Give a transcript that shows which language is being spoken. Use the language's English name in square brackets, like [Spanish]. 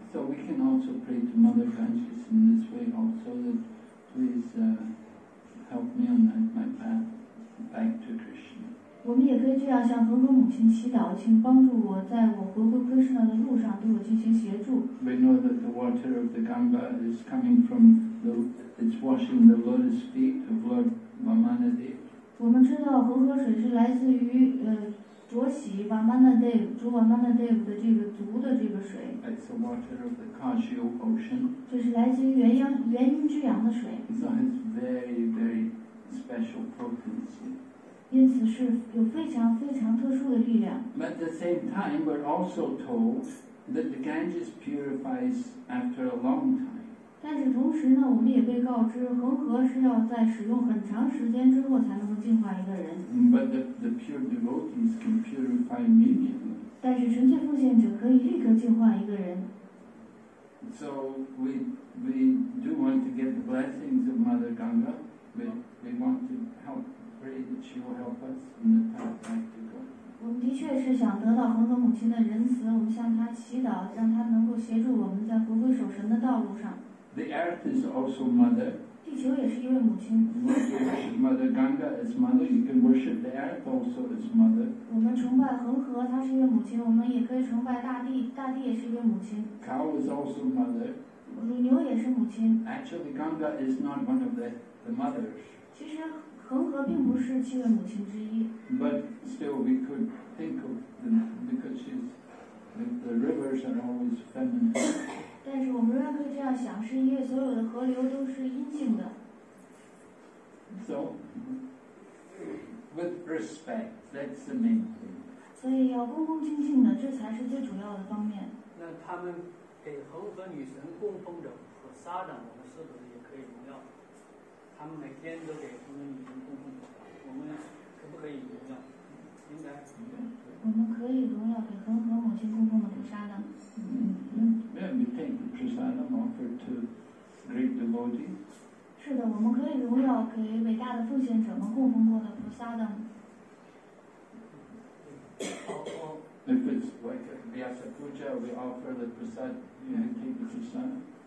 [English] So we can also pray to Mother Ganges in this way also, that please help me on my path back to Krishna。 [Chinese] 我们也可以这样向恒河母亲祈祷，请帮助我在我回归 Krishna 的路上对我进行协助。 [English] We know that the water of the Ganga is coming from it's washing the lotus feet of Lord Vamanadeva。 [Chinese] 我们知道恒河水是来自于濯洗瓦曼纳德夫，主瓦曼纳德夫的这个足的这个水。 [English] It's the water of the Kashi Ocean. [Chinese] 这是来自于元婴之洋的水。 [English] So it's very very special potency. [Chinese] 因此是有非常非常特殊的力量。 [English] But at the same time, we're also told that the Ganges purifies after a long time. [Chinese] 但是同时呢，我们也被告知恒河是要在使用很长时间之后才能够净化一个人。 [English] But the pure devotees can purify immediately. [Chinese] 但是纯粹奉献者可以立刻净化一个人。 [English] So we do want to get the blessings of Mother Ganga. We want to help, pray that she will help us in the path back to God. [Chinese] 我们的确是想得到恒河母亲的仁慈，我们向她祈祷，让她能够协助我们在回归守神的道路上。 [English] The earth is also mother. [Chinese] 地球也是一位母亲。 [English] You worship Mother Ganga as mother, you can worship the earth also as mother. [Chinese] 我们崇拜恒河，她是一位母亲，我们也可以崇拜大地，大地也是一位母亲。 [English] Cow is also mother. [Chinese] 乳牛也是母亲。 [English] Actually, Ganga is not one of the mothers. [Chinese] 其实恒河并不是七位母亲之一。 [English] But still we could think of them because she's the rivers are always feminine. [Chinese] 但是我们仍然可以这样想，是因为所有的河流都是阴性的。 [English] So with respect, that's the main thing. [Chinese] 所以要恭恭敬敬的，这才是最主要的方面。那他们给恒河女神供奉着和撒旦，我们是不是也可以荣耀？他们每天都给恒河女神供奉着，我们可不可以荣耀？应该。我们可以荣耀给恒河母亲供奉的给撒旦。 [English] Yeah, we think Prasadam offered to great devotees. [Chinese] 是的，我们可以荣耀给伟大的奉献者们供奉过的菩萨的。 [English] If it's like Vyasa Puja, we offer the Prasad, you know, take the Prasadam.